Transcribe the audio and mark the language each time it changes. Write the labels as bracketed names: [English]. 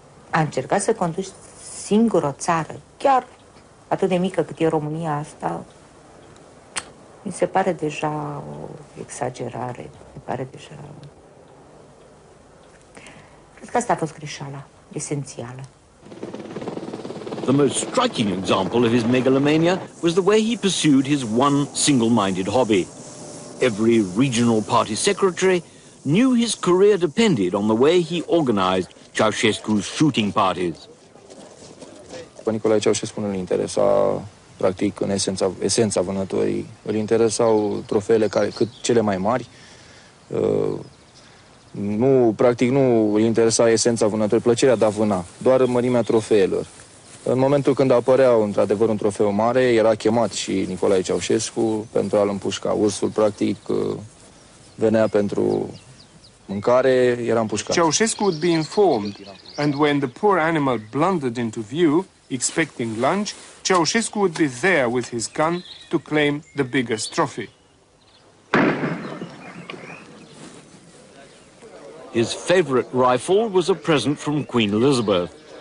[Romanian] A încercat să conduci singur o țară, chiar atât de mică cât e România asta, mi se pare deja o exagerare, mi pare deja... Cred că asta a fost greșeala esențială. [English] The most striking example of his megalomania was the way he pursued his one single-minded hobby. Every regional party secretary knew his career depended on the way he organized Ceaușescu's shooting parties. [Romanian] Pe Nicolae Ceaușescu nu îl interesa, practic, în esența vânătorii. Îl interesau trofeele care, cât cele mai mari. Nu, practic, nu îl interesa esența vânătorii, plăcerea de a vâna, doar mărimea trofeelor. În momentul când apărea într-adevăr un trofeu mare, era chemat și Nicolae Ceaușescu pentru a-l împușca. Ursul, practic, venea pentru mâncare, era împușcat. [English] Ceaușescu would be informed, and when the poor animal blundered into view, expecting lunch, Ceaușescu would be there with his gun to claim the biggest trophy. His favorite rifle was a present from Queen Elizabeth.